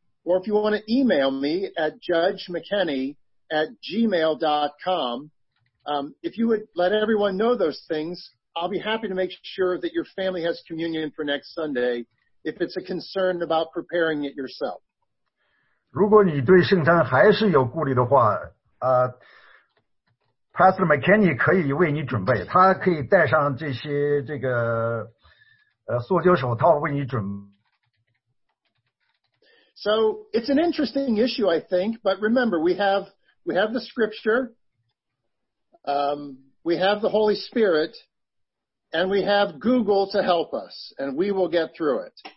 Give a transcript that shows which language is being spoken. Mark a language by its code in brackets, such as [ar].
[en] Or if you want to email me at judgemckenny@gmail.com, if you would let everyone know those things, I'll be happy to make sure that your family has communion for next Sunday if it's a concern about preparing it yourself. [zh] 如果你对圣餐还是有顾虑的话，Pastor McKinney 可以为你准备，他可以戴上这些这个塑胶手套为你准备。 [en] So it's an interesting issue, I think. But remember, we have the Scripture, we have the Holy Spirit, and we have Google to help us, and we will get through it.